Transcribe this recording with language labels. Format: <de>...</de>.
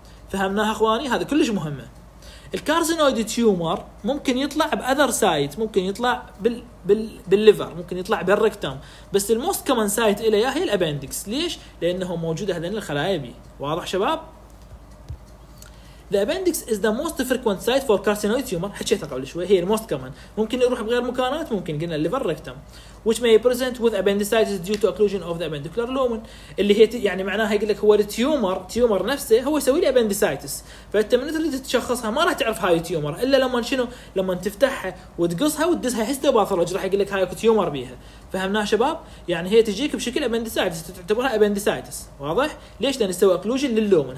<ar>فهمناها اخواني، هذا كلش مهمه. الكارسينويد تيومر ممكن يطلع باذر سايت، ممكن يطلع بالليفر، ممكن يطلع بالركتم، بس الموست كومن سايت الى هي الابندكس. ليش؟ لانه موجوده هذين الخلايا بي واضح شباب.</ar> <en>The appendix is the most frequent site for carcinoid tumor.</en> <ar>حكيتها قبل شوي، هي الموست كومن، ممكن يروح بغير مكانات، ممكن قلنا الليفر ركتم.</ar> <en>which may present with appendicitis due to occlusion of the appendicular lumen.</en> <ar>اللي هي يعني معناها يقول لك هو التيومر، تيومر نفسه هو يسوي لي appendicitis، فانت من تريد تشخصها ما راح تعرف هاي تيومر الا لما شنو؟ لما تفتحها وتقصها وتدزها هيستوباثولوجي راح يقول لك هاي تيومر بيها. فهمناها شباب؟ يعني هي تجيك بشكل appendicitis تعتبرها appendicitis واضح؟ ليش؟ لان يسوي occlusion للومن.</ar>